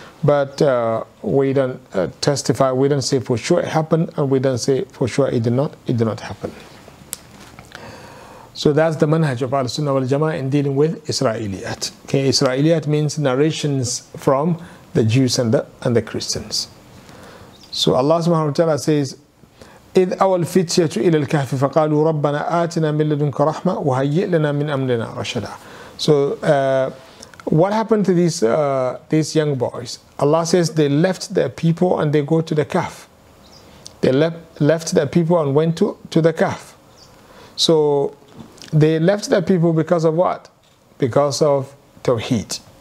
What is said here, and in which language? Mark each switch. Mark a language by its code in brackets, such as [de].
[en] But we don't testify, we don't say for sure it happened, and we don't say for sure it did not happen. So that's the manhaj of Al-Sunnah wal-Jama'ah in dealing with Israeliyat. Okay, Israeliyat means narrations from the Jews and the Christians. So Allah subhanahu wa ta'ala says, [ar] إذ أوى الفتية إلى الكهف فقالوا ربنا آتنا من لدنك رحمة وهيئ لنا من أمرنا رشدا. [en] So what happened to these young boys? Allah says they left their people and they go to the Kahf. They left their people and went to the Kahf. So they left their people because of what? Because of Tawheed.